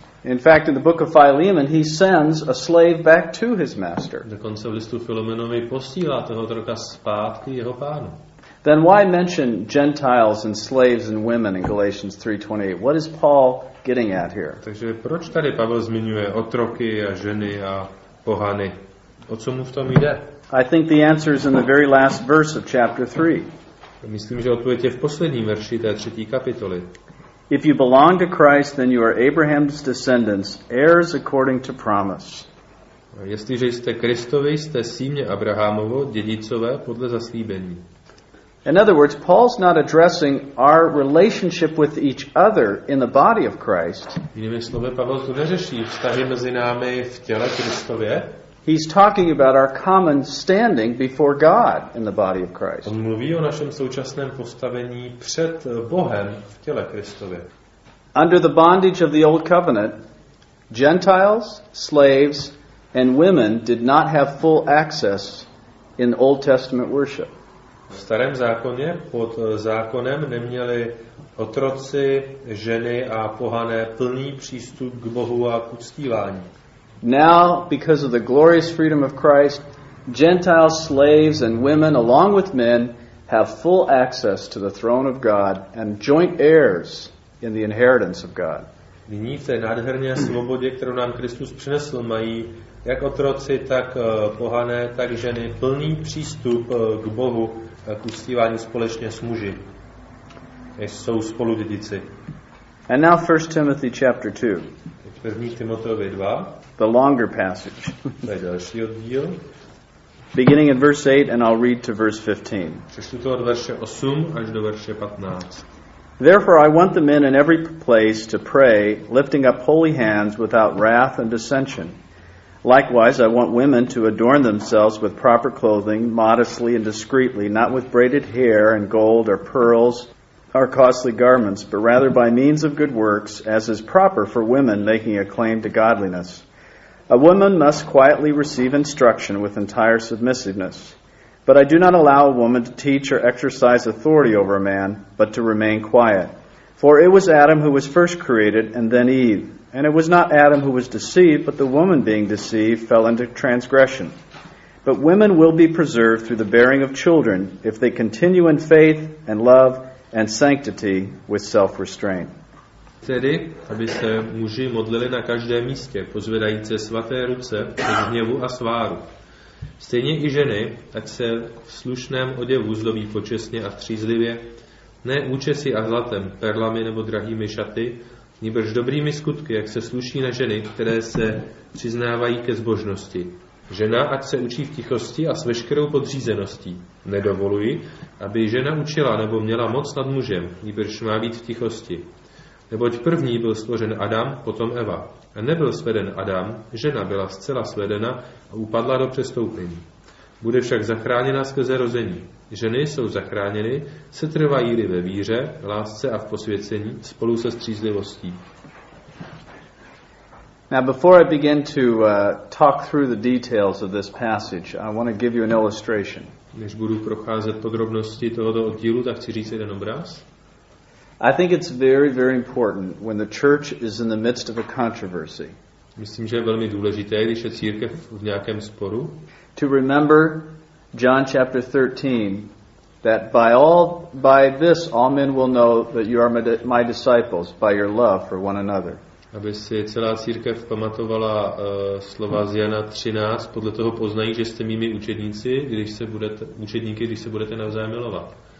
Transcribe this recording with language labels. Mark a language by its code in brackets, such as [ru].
[en] In fact, in the book of Philemon, he sends a slave back to his master. [cs] Dokonce v listu Filemonovi posílá toho otroka zpátky jeho pánu. [en] Then why mention Gentiles and slaves and women in Galatians 3:28? What is Paul getting at here? [cs] Takže proč tady Pavel zmiňuje otroky a ženy a pohany? O co mu v tom jde? [en] I think the answer is in the very last verse of chapter 3. [cs] Myslím, že odpověď je v posledním verši té třetí kapitoly. [en] If you belong to Christ, then you are Abraham's descendants, heirs according to promise. [cs] Jestliže jste Kristovi, jste símě Abrahamovo, dědicové podle zaslíbení. [en] In other words, Paul's not addressing our relationship with each other in the body of Christ. [cs] Jinými slovy, Pavel tu neřeší vztahy mezi námi v těle Kristově. [en] He's talking about our common standing before God in the body of Christ. [cs] On mluví o našem současném postavení před Bohem v těle Kristově. [en] Under the bondage of the old covenant, Gentiles, slaves, and women did not have full access in Old Testament worship. [cs] V starém zákoně pod zákonem neměli otroci, ženy a pohané plný přístup k Bohu a k uctívání. [en] Now, because of the glorious freedom of Christ, Gentile slaves and women along with men have full access to the throne of God and joint heirs in the inheritance of God. [cs] Nyní v té nádherné svobodě, kterou nám Kristus přinesl, mají jak otroci, tak pohané, tak ženy plný přístup k Bohu a k uctívání společně s muži. Jsou spolu dědici. [en] And now 1 Timothy chapter 2. [cs] 1. Timoteovi 2. [en] The longer passage. [cs] To je další oddíl. [en] Beginning at verse 8 and I'll read to verse 15. [cs] Přečtu to od verše 8 až do verše 15. [en] Therefore I want the men in every place to pray, lifting up holy hands without wrath and dissension. Likewise, I want women to adorn themselves with proper clothing, modestly and discreetly, not with braided hair and gold or pearls or costly garments, but rather by means of good works, as is proper for women making a claim to godliness. A woman must quietly receive instruction with entire submissiveness. But I do not allow a woman to teach or exercise authority over a man, but to remain quiet. For it was Adam who was first created, and then Eve. And it was not Adam who was deceived, but the woman being deceived fell into transgression. But women will be preserved through the bearing of children if they continue in faith and love and sanctity with self-restraint. [cs] Tedy, aby se muži modlili na každém místě, pozvedajíce svaté ruce bez hněvu a sváru. Stejně i ženy, ať se v slušném oděvu zdobí počestně a střízlivě, ne účesy a zlatem, perlami nebo drahými šaty, nýbrž dobrými skutky, jak se sluší na ženy, které se přiznávají ke zbožnosti. Žena, ať se učí v tichosti a s veškerou podřízeností. Nedovoluji, aby žena učila nebo měla moc nad mužem, nýbrž má být v tichosti. Neboť první byl stvořen Adam, potom Eva. A nebyl sveden Adam, žena byla zcela svedena a upadla do přestoupení. Bude však zachráněna skrze rození. Ženy jsou zachráněny, setrvají-li ve víře, lásce a v posvěcení spolu se střízlivostí. [en] Now before I begin to talk through the details of this passage, I want to give you an illustration. [cs] Než budu procházet podrobnosti tohoto oddílu, tak chci říct jeden obraz. [en] I think it's very, very important when the church is in the midst of a controversy. [cs] Myslím, že je velmi důležité, když je církev v nějakém sporu. [en] To remember John chapter 13, that by this all men will know that you are my disciples by your love for one another. [cs] Aby si celá církev pamatovala slova z Jana 13, podle toho poznají, že jste mými učedníky, když se budete navzájem milovat.